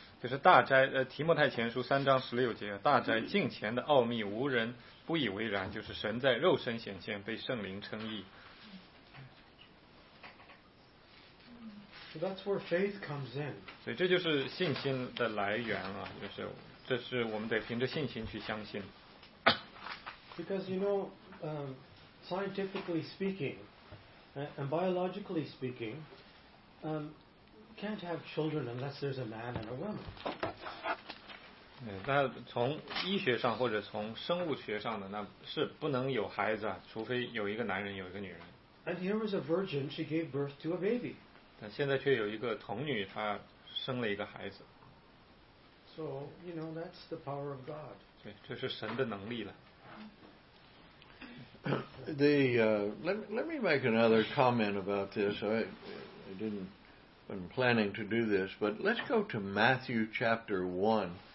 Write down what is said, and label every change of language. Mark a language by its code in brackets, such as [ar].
[zh] 就是大斋提摩太前书三章十六节，大斋敬虔的奥秘无人不以为然，就是神在肉身显现，被圣灵称义。 [en] So that's where faith comes in. [zh] 所以这就是信心的来源啊，就是这是我们得凭着信心去相信。 [en] Because you know, scientifically speaking, and biologically speaking, can't have children unless there's a man and a woman. [zh] 那从医学上或者从生物学上的，那是不能有孩子，除非有一个男人，有一个女人。 [en] And here was a virgin; she gave birth to a baby. [zh] 现在却有一个童女，她生了一个孩子。 [en] So you know that's the power of God. [zh] 对，这是神的能力了。 [en] Let me make another comment about this. I didn't planning to do this, but let's go to Matthew chapter 1.